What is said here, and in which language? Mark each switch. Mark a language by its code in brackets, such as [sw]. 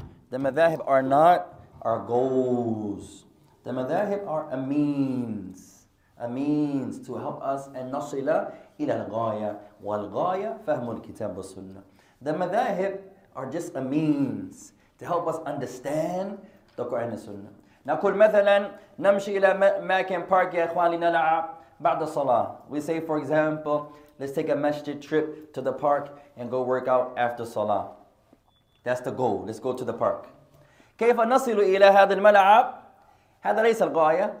[en] The madhab are not our goals. The madhab are a means to help us and [ar] nasila ila al-ghaya. Wal-ghaya fahmul kitab wa sunnah. [en] The madhab are just a means to help us understand the Quran and Sunnah. [ar] نقول مثلا نمشي إلى مكان بارك يا إخوان لنلعب بعد الصلاة. [en] We say, for example, let's take a masjid trip to the park and go work out after salah. That's the goal. Let's go to the park. [ar] كيف نصل إلى هذا الملعب؟ هذا ليس الغاية.